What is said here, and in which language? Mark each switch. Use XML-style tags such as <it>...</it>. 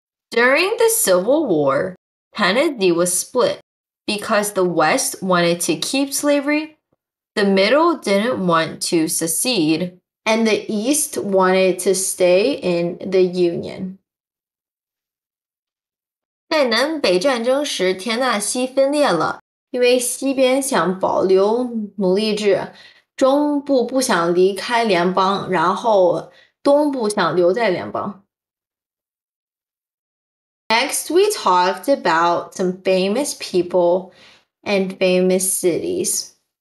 <en>During the Civil War, Tennessee was split because the West wanted to keep slavery, the Middle didn't want to secede, and the East wanted to stay in the Union.</en> <zh>在南北战争时，田纳西分裂了，因为西边想保留奴隶制，中部不想离开联邦，然后东部想留在联邦。</zh> <en>Next, we talked about some famous people and famous cities.</en>